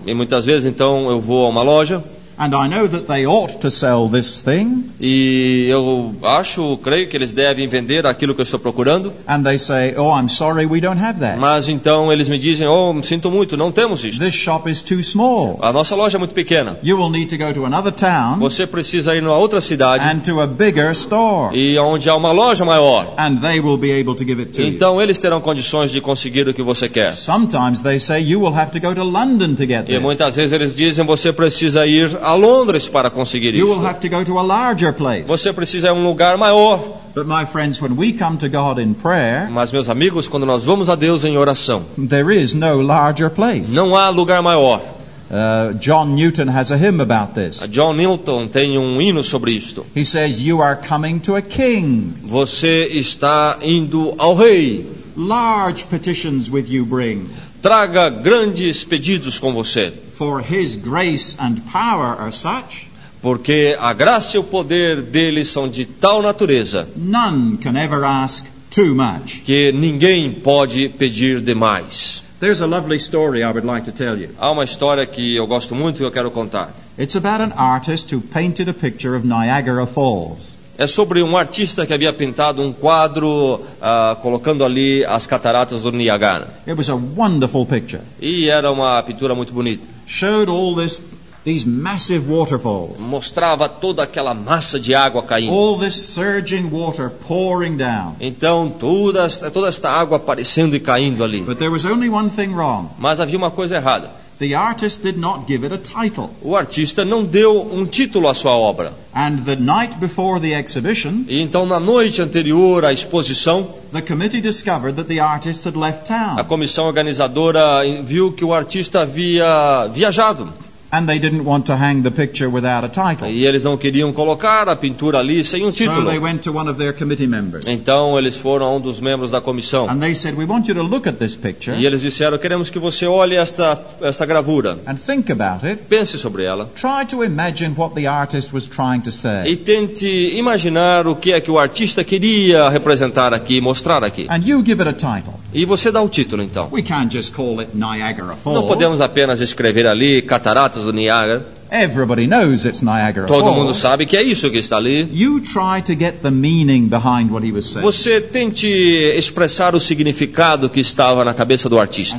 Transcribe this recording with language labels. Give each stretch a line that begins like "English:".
Portuguese: E muitas vezes então eu vou a uma loja.
English: And I know that they ought to sell this thing.
Portuguese: E eu acho, creio que eles devem vender aquilo que eu estou procurando.
English: And they say, "Oh, I'm sorry, we don't have that."
Portuguese: Mas então eles me dizem, "Oh, sinto muito, não temos isso."
English: This shop is too small.
Portuguese: A nossa loja é muito pequena.
English: You will need to go to another town.
Portuguese: Você precisa ir numa outra cidade.
English: And to a bigger store.
Portuguese: E onde há uma loja maior.
English: And they will be able to give it to you.
Portuguese: Então eles terão condições de conseguir o que você quer.
English: Sometimes they say you will have to go to London to get this.
Portuguese: E muitas vezes eles dizem, você precisa ir a Londres para conseguir isso.
English: You will have to go to a larger place.
Portuguese: Você precisa ir a um lugar maior.
English: But my friends, when we come to God in prayer,
Portuguese: mas meus amigos, quando nós vamos a Deus em oração,
English: there is no larger place.
Portuguese: Não há lugar maior.
English: John Newton has a hymn about this.
Portuguese: John Newton tem um hino sobre isto.
English: He says, "You are coming to a king."
Portuguese: Você está indo ao rei.
English: Large petitions with you bring.
Portuguese: Traga grandes pedidos com você.
English: For his grace and power are such.
Portuguese: Porque a graça e o poder dele são de tal natureza.
English: None can ever ask too much.
Portuguese: Que ninguém pode pedir demais.
English: There's a lovely story I would like to tell you.
Portuguese: Há uma história que eu gosto muito e eu quero contar.
English: It's about an artist who painted a picture of Niagara Falls.
Portuguese: É sobre um artista que havia pintado um quadro colocando ali as cataratas do Niágara.
English: It was a wonderful picture.
Portuguese: E era uma pintura muito bonita.
English: Showed all these massive waterfalls.
Portuguese: Mostrava toda aquela massa de água caindo.
English: All this surging water pouring down.
Portuguese: Então toda esta água aparecendo e caindo ali.
English: But there was only one thing wrong.
Portuguese: Mas havia uma coisa errada.
English: The artist did not give it a title.
Portuguese: O artista não deu um título à sua obra.
English: And the night before the exhibition,
Portuguese: e então na noite anterior à exposição,
English: the committee discovered that the artist had left town.
Portuguese: A comissão organizadora viu que o artista havia viajado.
English: And they didn't want to hang the picture without a title.
Portuguese: E eles não queriam colocar a pintura ali sem um título.
English: So they went to one of their committee members.
Portuguese: Então eles foram a um dos membros da comissão.
English: And they said, "We want you to look at this picture."
Portuguese: E eles disseram, queremos que você olhe esta gravura.
English: And think about it.
Portuguese: Pense sobre ela.
English: Try to imagine what the artist was trying to say.
Portuguese: E tente imaginar o que é que o artista queria representar aqui, mostrar aqui.
English: And you give it a title.
Portuguese: E você dá o título então.
English: We can't just call it Niagara Falls.
Portuguese: Não podemos apenas escrever ali Cataratas do Niágara.
English: Everybody knows it's Niagara Falls.
Portuguese: Todo mundo sabe que é isso que está ali.
English: You try to get the meaning behind what he was saying.
Portuguese: Você tente expressar o significado que estava na cabeça do artista.